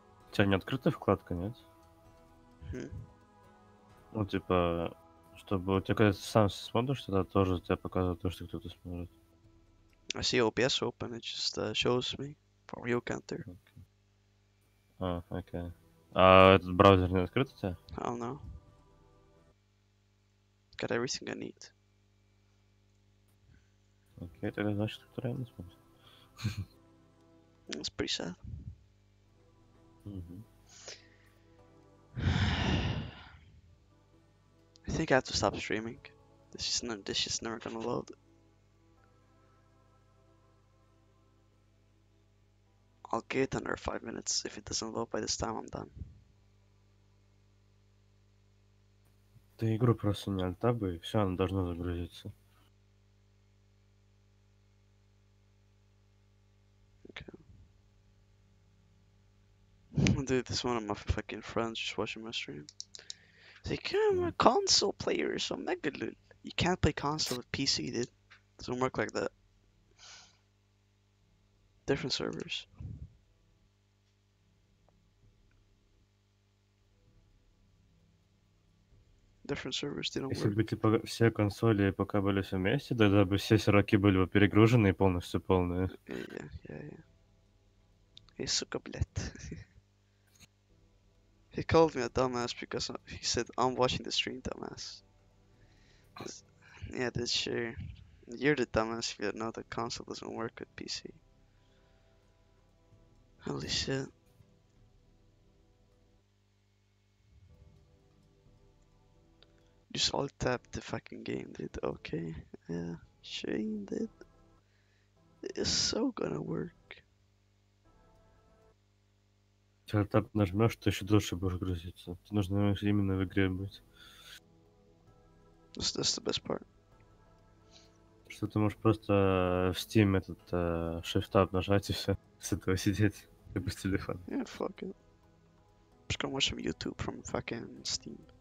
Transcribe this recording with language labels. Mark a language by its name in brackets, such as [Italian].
[Russian] У тебя не открытая вкладка, нет? Ну, типа, чтобы у тебя, когда ты сам смотришь, тогда тоже тебя показывает то, что кто-то смотрит. [English] I see OBS open, it just shows me from your counter. [Russian] А, окей. А этот браузер не открыт у тебя? [English] I don't know. Got everything I need. [Russian] Окей, тогда значит, кто реально смотрит. [English] It's pretty sad. I think I have to stop streaming. This is never gonna load. I'll give it another 5 minutes. If it doesn't load by this time, I'm done. [Russian] Ты игру просто не альтабы, и все, она должна загрузиться. [English] Dude, this one of my fucking friends just watching my stream. He's like, I'm a console player, so mega loot. You can't play console with PC, dude. It doesn't work like that. Different servers. Different servers didn't work. [Russian] Если бы типа все консоли ПК были все вместе, тогда бы все сироки были бы перегружены и полностью полные. [English] Yeah. [Russian] Эй, сука, блядь. [English] He called me a dumbass because he said, I'm watching the stream, dumbass. Yeah, that's sure. You're the dumbass if you know the console doesn't work with PC. Holy shit. Just alt tap the fucking game, dude. Okay. Yeah, Shane, dude. It's so gonna work. [Russian] Когда тап нажмешь, ты еще дольше будешь грузиться. Ты нужно именно в игре быть. [English] That's the best part. [Russian] Что ты можешь просто в Steam этот shift-tab нажать и все. С этого сидеть. Либо с телефона. [English] Yeah, fuck it. I'm just gonna watch some YouTube from fucking Steam.